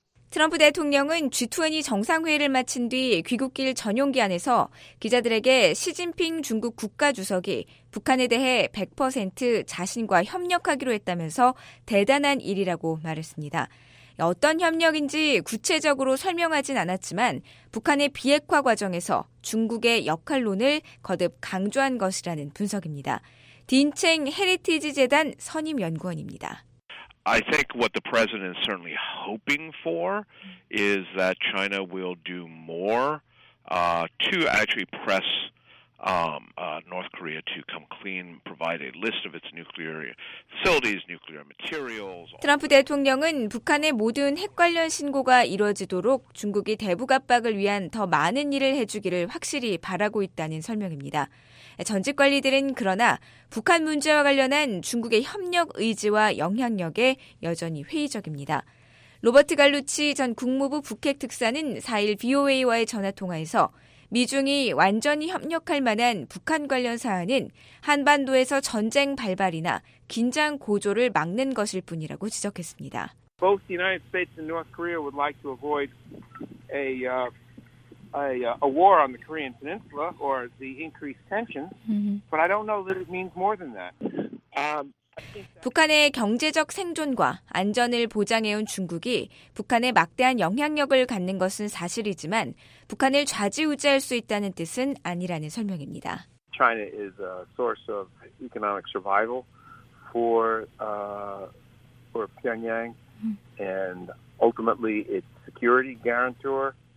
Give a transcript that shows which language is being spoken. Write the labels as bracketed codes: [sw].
[ko] 트럼프 대통령은 G20 정상회의를 마친 뒤 귀국길 전용기 안에서 기자들에게 시진핑 중국 국가주석이 북한에 대해 100% 자신과 협력하기로 했다면서 대단한 일이라고 말했습니다. 어떤 협력인지 구체적으로 설명하진 않았지만 북한의 비핵화 과정에서 중국의 역할론을 거듭 강조한 것이라는 분석입니다. 딘챙 헤리티지 재단 선임 연구원입니다. [en] I think what the president is certainly hoping for is that China will do more to actually press North Korea to come clean, provide a list of its nuclear facilities, nuclear materials. [ko] 트럼프 대통령은 북한의 모든 핵 관련 신고가 이루어지도록 중국이 대북 압박을 위한 더 많은 일을 해주기를 확실히 바라고 있다는 설명입니다. 전직 관리들은 그러나 북한 문제와 관련한 중국의 협력 의지와 영향력에 여전히 회의적입니다. 로버트 갈루치 전 국무부 북핵 특사는 4일 VOA와의 전화 통화에서 미중이 완전히 협력할 만한 북한 관련 사안은 한반도에서 전쟁 발발이나 긴장 고조를 막는 것일 뿐이라고 지적했습니다. [en] Both the United States and North Korea would like to avoid a war on the Korean Peninsula or the increased tensions, but I don't know that it means more than that. [ko] 북한의 경제적 생존과 안전을 보장해온 중국이 북한에 막대한 영향력을 갖는 것은 사실이지만 북한을 좌지우지할 수 있다는 뜻은 아니라는 설명입니다. [en] China is a source of economic survival for Pyongyang and ultimately its security guarantor.